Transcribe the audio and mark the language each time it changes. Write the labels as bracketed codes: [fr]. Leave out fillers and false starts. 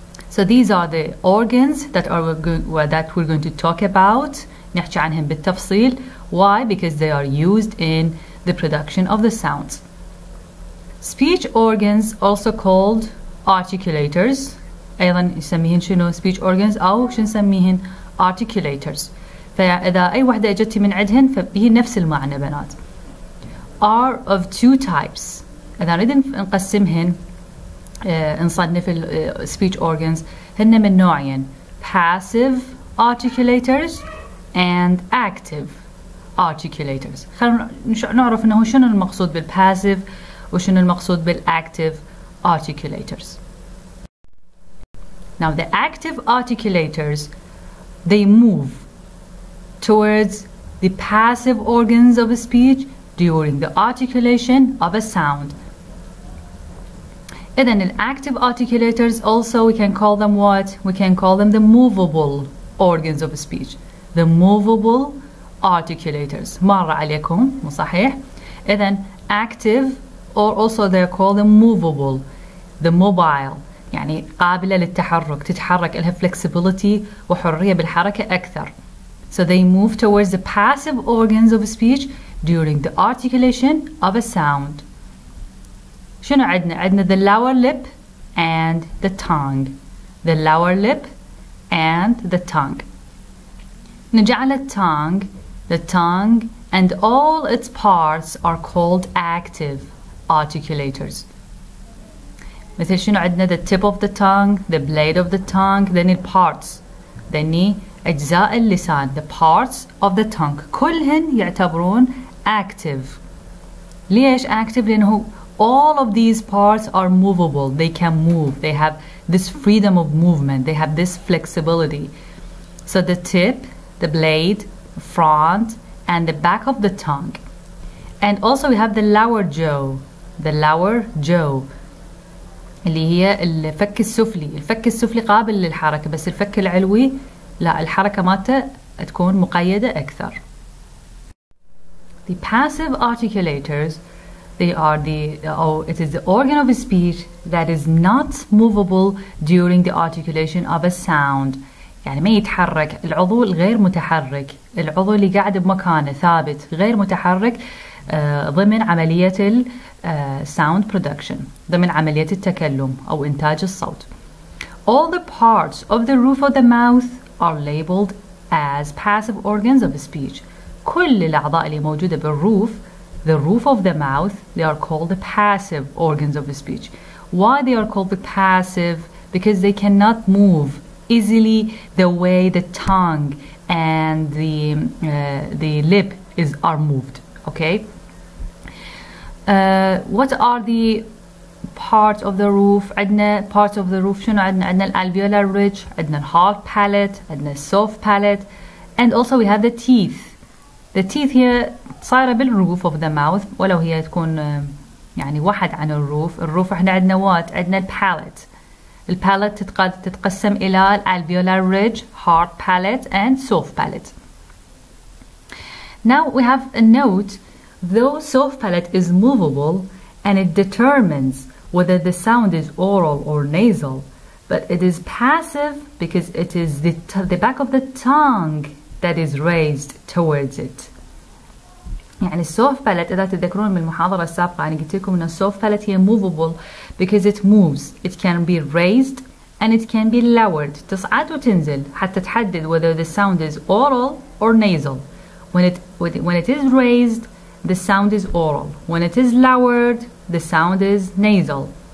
[en] So these are the organs that are we're going to talk about. [ar] نحكي عنهم بالتفصيل. [en] Why? Because they are used in the production of the sounds. Speech organs, also called articulators, [ar] أيضا نسميهن شنو [en] speech organs [ar] أو شنو نسميهن [en] articulators. [ar] فإذا أي واحدة أجتي من عدهن فهي نفس المعنى بنات. [en] Are of two types. [ar] إذا نريد نقسمهن نصنف [en] speech organs [ar] هن من نوعين. [en] Passive articulators and active articulators. [ar] خلنا نعرف إنه شنو المقصود بالpassive وشنو المقصود بالactive articulators. [en] Now the active articulators, they move towards the passive organs of a speech during the articulation of a sound. And then in active articulators also we can call them what? We can call them the movable organs of a speech. The movable articulators. [ar] مر عليكم مو صحيح. [en] And then active, or also they're called the movable, the mobile. [ar] يعني قابلة للتحرك تتحرك لها flexibility وحرية بالحركة أكثر. [en] So they move towards the passive organs of speech during the articulation of a sound. [ar] شنو عدنا؟ عدنا [en] the lower lip and the tongue. The lower lip and the tongue. [ar] نجعل التونغ, [en] the tongue and all its parts are called active articulators. [ar] مثل شنو عدنا [en] the tip of the tongue, the blade of the tongue, then the parts. Then [ar] أجزاء اللسان, [en] the parts of the tongue, [ar] كلهن يعتبرون [en] active. [ar] ليش active؟ لأنه [en] all of these parts are movable. They can move. They have this freedom of movement. They have this flexibility. So the tip, the blade, front, and the back of the tongue. And also we have the lower jaw. The lower jaw. [ar] اللي هي الفك السفلي. الفك السفلي قابل للحركة, بس الفك العلوي لا, الحركة مالته تكون مقيدة أكثر. [en] The passive articulators, they are the, oh, it is the organ of speech that is not movable during the articulation of a sound. [ar] يعني ما يتحرك, العضو الغير متحرك, العضو اللي قاعد بمكانه ثابت غير متحرك ضمن عملية الـ [en] sound production, [ar] ضمن عملية التكلم أو إنتاج الصوت. [en] All the parts of the roof of the mouth are labeled as passive organs of speech. [ar] كل الأعضاء اللي موجودة بالروف, [en] the roof of the mouth, they are called the passive organs of speech. Why they are called the passive? Because they cannot move easily the way the tongue and the lip are moved. Okay? What are the part of the roof, عندنا part of the roof, [ar] شنو عندنا؟ عندنا [en] alveolar ridge, عندنا heart palate, عندنا soft palate, and also we have the teeth. The teeth here [ar] صايرة بالroof of the mouth, ولو هي تكون يعني واحد عن الروف. الروف احنا عندنا what? عندنا palate. Palate تتقسم إلى [en] alveolar ridge, heart palate, and soft palate. Now we have a note, though soft palate is movable and it determines whether the sound is oral or nasal, but it is passive because it is the back of the tongue that is raised towards it. [ar] يعني soft palate إذا تذكرون من المحاضرة السابقة أنا قلت لكم إن soft palate هي [en] movable because it moves. It can be raised and it can be lowered. [ar] تصعد وتنزل حتى تحدد [en] whether the sound is oral or nasal. When it is raised, the sound is oral. When it is lowered, the sound is nasal.